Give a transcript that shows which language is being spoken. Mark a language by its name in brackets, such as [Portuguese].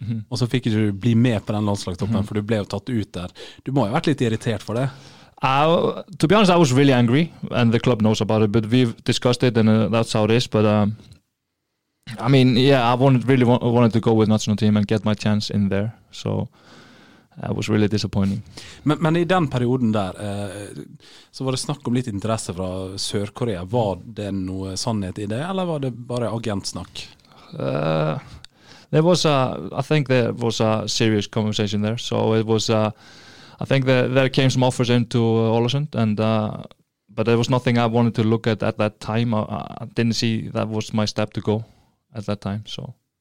[Norwegian] Og så fikk du bli med på den landslagstoppen, for du ble jo tatt ut der. Du må jo ha vært litt irritert for det. [English] To be honest, I was really angry, and the club knows about it, but we've discussed it, and that's how it is. But I mean, yeah, I wanted to go with national team and get my chance in there, so... That was really disappointing. [Norwegian] Men I den perioden der, så var det snakk om litt interesse fra Sør-Korea. Var det noe sannhet I det, eller var det bare agentsnakk? [English] There was a, I think there was a serious conversation there. So it was, I think there came some offers into Ålesund, but there was nothing I wanted to look at that time. I didn't see that was my step to go at that time, so.